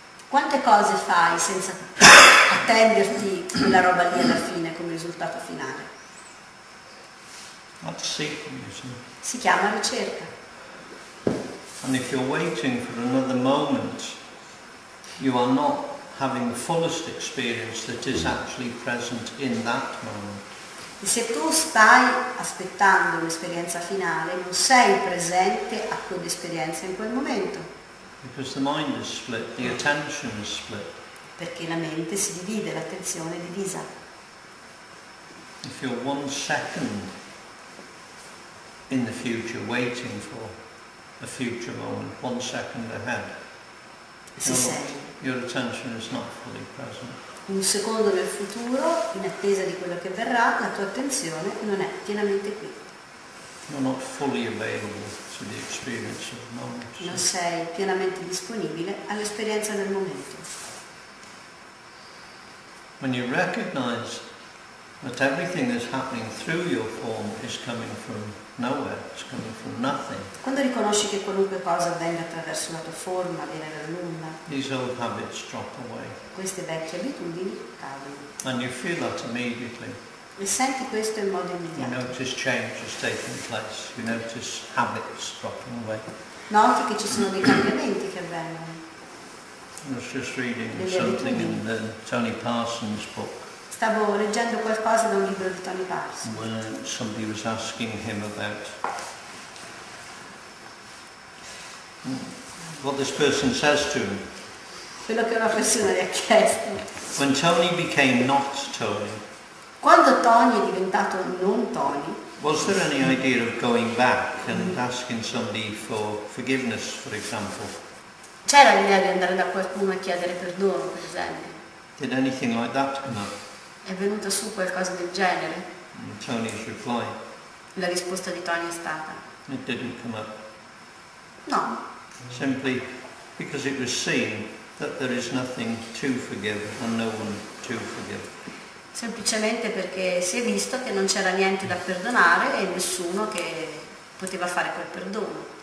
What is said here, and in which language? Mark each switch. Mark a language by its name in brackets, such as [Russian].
[Italian] Quante cose fai senza attenderti quella roba lì alla fine come risultato finale? [English] That's seeking, isn't it? [Italian] Si chiama ricerca. [English] And if you're waiting for another moment, you are not having the fullest experience that is actually present in that moment. [Italian] E se tu stai aspettando un'esperienza finale, non sei presente a quell'esperienza in quel momento. [English] Because the mind is split, the attention is split. [Italian] Perché la mente si divide, l'attenzione è divisa. [English] If you're 1 second in the future, waiting for a future moment, 1 second ahead. Your attention is not fully present. [Italian] Un secondo nel futuro, in attesa di quello che verrà, la tua attenzione non è pienamente qui. [English] You're not fully available to the experience of the moment. [Italian] Non sei pienamente disponibile all'esperienza del momento. [English] When you recognize that everything that's happening through your form is coming from nowhere, it's coming from nothing. [Italian] Quando riconosci che qualunque cosa venga attraverso la tua forma, viene dal nulla, [English] these old habits drop away. [Italian] Queste vecchie abitudini cadono. [English] And you feel that immediately. [Italian] E senti questo in modo immediato. [English] You notice changes taking place. You notice habits dropping away. [Italian] Noti che ci sono dei cambiamenti che avvengono. [English] I was just reading something in the Tony Parsons book. [Italian] Stavo leggendo qualcosa da un libro di Tony Parsons. [English] When somebody was asking him about what this person says to him. [Italian] Quello che una persona gli ha chiesto. [English] When Tony became not Tony. [Italian] Quando Tony è diventato non Tony. [English] Was there any idea of going back and asking somebody for forgiveness, for example? [Italian] C'era l'idea di andare da qualcuno a chiedere perdono, per esempio. [English] Did anything like that come up? [Italian] È venuta su qualcosa del genere? [English] Tony's reply. [Italian] La risposta di Tony è stata. [English] It didn't come up. [Italian] No. [English] Simply because it was seen that there is nothing to forgive and no one to forgive. [Italian] Semplicemente perché si è visto che non c'era niente da perdonare e nessuno che poteva fare quel perdono.